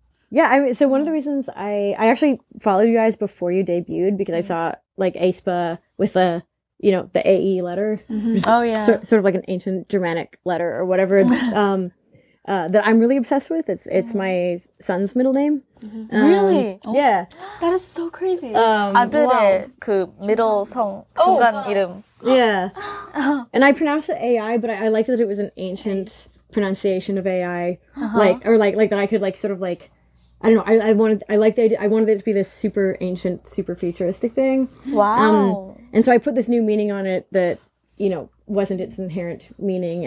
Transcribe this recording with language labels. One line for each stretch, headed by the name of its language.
English: yeah, I mean, so one of the reasons I actually followed you guys before you debuted because I saw like Aespa with a, you know, the AE letter. Oh, yeah. Sort of like an ancient Germanic letter or whatever that I'm really obsessed with. It's my son's middle name. Really? Yeah. That is so crazy.
Korean: 아들의 그 middle 성, 중간 이름.
English: Yeah. And I pronounce it AI, but I liked that it was an ancient pronunciation of AI. Like, or like that I could like sort of like, I don't know, I wanted it to be this super ancient, super futuristic thing. Wow. And so I put this new meaning on it that, you know, wasn't its inherent meaning.